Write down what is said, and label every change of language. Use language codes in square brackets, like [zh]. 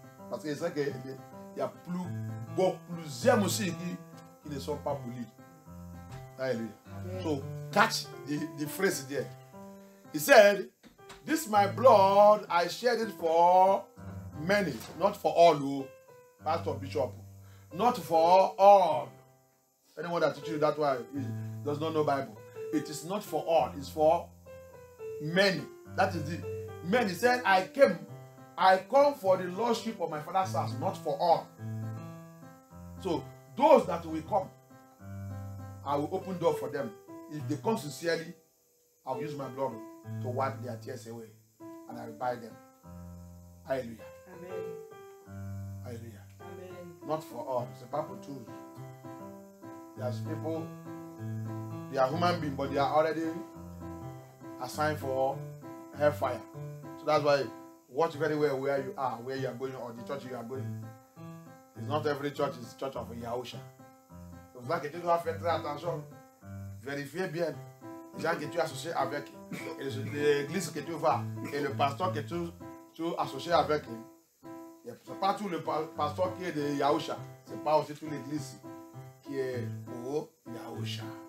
[fr] Parce que c'est vrai qu'il y a plusieurs aussi qui ne sont pas pour lui. [en] Alléluia. So, catch the phrase there. He said, this is my blood, I shed it for many, not for all who. Pastor, Bishop, not for all. Anyone that teaches you that way does not know Bible. It is not for all. It's for many. That is it. Many said, I come for the lordship of my father's house, not for all. So, those that will come, I will open door for them. If they come sincerely, I will use my blood to wipe their tears away. And I will buy them. Hallelujah. Amen. Hallelujah. Not for all, it's a purple tool. There's people, they are human beings, but they are already assigned for hellfire. So that's why, watch very well where you are, where you are going, or the church you are going. It's not every church, it's the church of Yahusha. [fr] Donc là, que tu dois faire très attention. Vérifiez bien les gens que tu es associé avec, l'église que tu vas, et le pasteur que tu es associé avec. Ce n'est pas tout le pasteur qui est de Yahusha. Ce n'est pas aussi toute l'église qui est au Yahusha.